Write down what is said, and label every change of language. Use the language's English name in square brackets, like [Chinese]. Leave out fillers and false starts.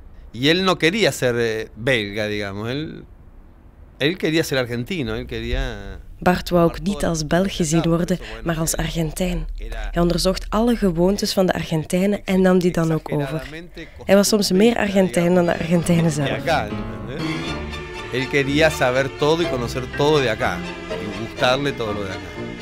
[Spanish] Y él no quería ser belga, digamos. Él quería ser argentino, él quería... [Dutch] Bart wou ook niet als Belg gezien worden, maar als Argentijn. Hij onderzocht alle gewoontes van de Argentijnen en nam die dan ook over. Hij was soms meer Argentijn dan de Argentijnen zelf. [Spanish] Hij quería saber todo y conocer todo de acá. Y gustarle todo lo de acá.